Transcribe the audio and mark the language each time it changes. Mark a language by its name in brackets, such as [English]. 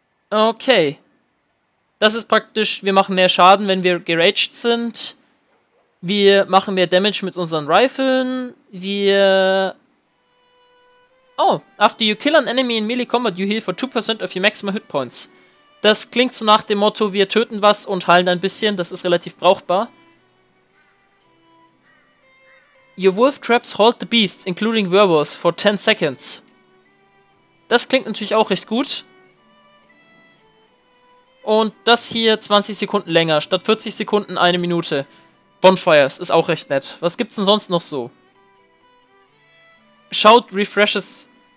[German] Okay. Das ist praktisch, wir machen mehr Schaden, wenn wir geraged sind. Wir machen mehr Damage mit unseren Rifeln. Wir. [English] Oh, after you kill an enemy in melee combat, you heal for 2% of your maximum hit points. [German] Das klingt so nach dem Motto, wir töten was und heilen ein bisschen. Das ist relativ brauchbar. [English] Your wolf traps halt the beasts, including werewolves, for 10 seconds. [German] Das klingt natürlich auch recht gut. Und das hier 20 Sekunden länger, statt 40 Sekunden eine Minute. Bonfires ist auch recht nett. Was gibt's denn sonst noch so? [English] Shout refreshes.